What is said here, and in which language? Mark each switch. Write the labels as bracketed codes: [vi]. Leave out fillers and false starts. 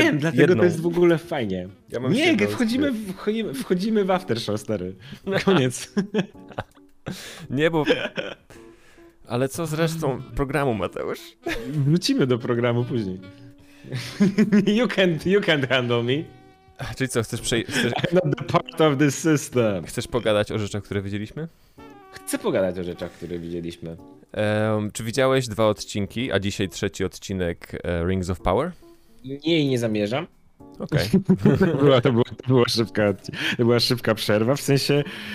[pl] dlatego to jest w ogóle fajnie. Ja mam nie, wchodzimy w aftershow, stary. Koniec. Nie, bo... Ale co z resztą programu, Mateusz? Wrócimy do programu później. [en] You can't handle me. [pl] Czyli co, chcesz... [en] I'm not the part of this system. [pl] Chcesz pogadać o rzeczach, które widzieliśmy? Chcę pogadać o rzeczach, które widzieliśmy. Czy widziałeś dwa odcinki, a dzisiaj trzeci odcinek Rings of Power? Nie, nie zamierzam. Okej. [en] Okay. [pl] to była szybka przerwa, w sensie...